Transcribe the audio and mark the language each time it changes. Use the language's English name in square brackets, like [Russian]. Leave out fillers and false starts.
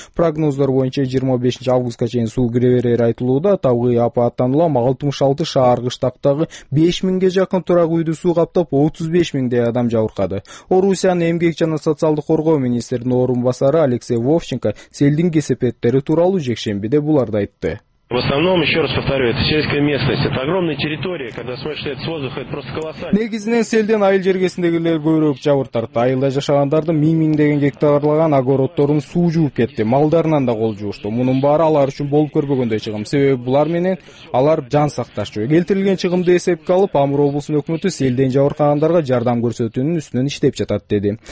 [Kyrgyz] Прогноздор боюнча 25-августка чейин суу кире берери айтылууда. Табигый апааттан улам 66 шаар кыштактагы 5,000 жакын турак үйдү суу каптап, 35,000 адам жабыркады. Орусиянын эмгек жана социалдык коргоо министринин орун басары Алексей Вовченко селдин кесепеттери тууралуу жекшембиде буларды айтты. [Russian] В основном, еще раз повторю, это сельская местность. Это огромная территория, когда смотришь это с воздуха, это просто колоссально. [Kyrgyz] Негизинен селден айыл жергесиндегилер көйрөк жабыр тартты. Айылда жашагандардын миң-миң деген гектарлаган огороддорун суу жууп кетти. Малдарынан да кол жуушту. Мунун баары алар үчүн болуп көрбөгөндөй чыгым. Себеби булар менен алар жан сакташчу. Келтирилген чыгымды эсепке алып, Амур облусунун өкмөтү селден жабыркагандарга жардам көрсөтүүнүн үстүнөн иштеп жатат деди.